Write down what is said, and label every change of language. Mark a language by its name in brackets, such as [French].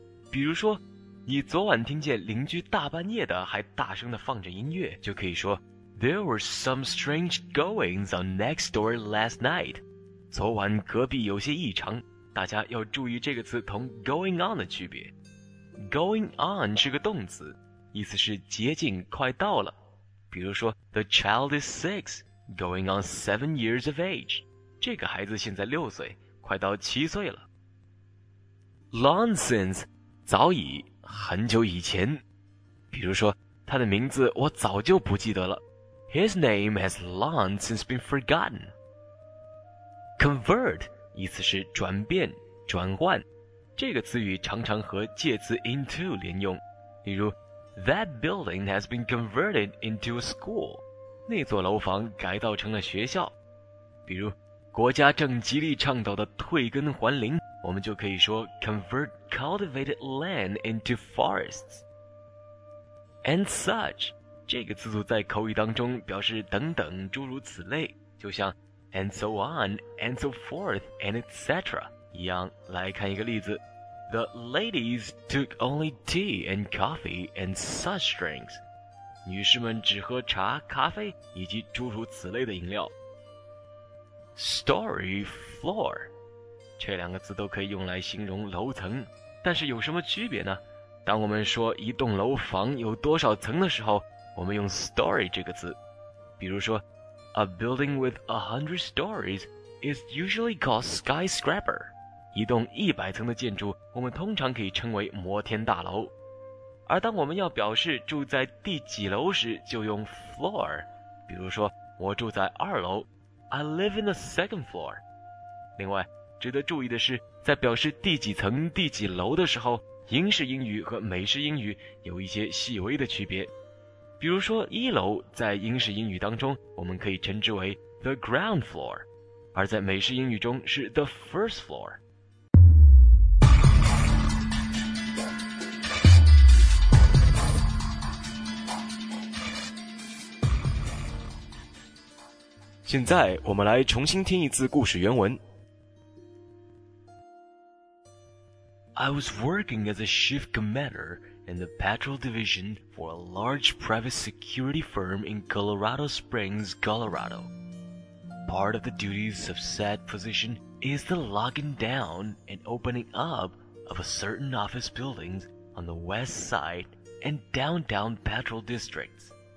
[Chinese] 比如说，你昨晚听见邻居大半夜的还大声地放着音乐，就可以说 [English] There were some strange goings on next door last night. [Chinese] 昨晚隔壁有些异常。大家要注意这个词同 going on 的区别。 Going on 是个动词，意思是接近快到了。 [English] 比如说 The child is 6, going on 7 years of age. [Chinese] 这个孩子现在6岁，快到7岁了。Long since, 早已，很久以前。比如说他的名字我早就不记得了。 [English] His name has long since been forgotten. [Chinese] Convert, 意思是转变、转换。这个词语常常和介词 into 连用，例如 [English] That building has been converted into a school. [Chinese] 那座楼房改造成了学校。比如国家正极力倡导的退耕还林，我们就可以说 [English] convert cultivated land into forests. [Chinese] And such, 这个词组在口语当中表示等等诸如此类，就像 [English] and so on, and so forth, and etc. [Chinese] 一样，来看一个例子。 [English] The ladies took only tea and coffee and such drinks. [Chinese] 女士们只喝茶、咖啡以及诸如此类的饮料。 [English] Story floor. [Chinese] 这两个字都可以用来形容楼层。但是有什么区别呢？当我们说一栋楼房有多少层的时候，我们用 story 这个字。比如说 [English] A building with 100 stories is usually called skyscraper. [Chinese] 一栋100层的建筑，我们通常可以称为摩天大楼。而当我们要表示住在第几楼时，就用 floor。比如说，我住在二楼 ， [English] I live in the second floor。 [Chinese] 另外，值得注意的是，在表示第几层、第几楼的时候，英式英语和美式英语有一些细微的区别。比如说，一楼在英式英语当中，我们可以称之为 the ground floor， 而在美式英语中是 the first floor。现在我们来重新听一次故事原文。 [English] I was working as a shift commander in the patrol division for a large private security firm in Colorado Springs, Colorado. Part of the duties of said position is the locking down and opening up of a certain office buildings on the west side and downtown patrol districts.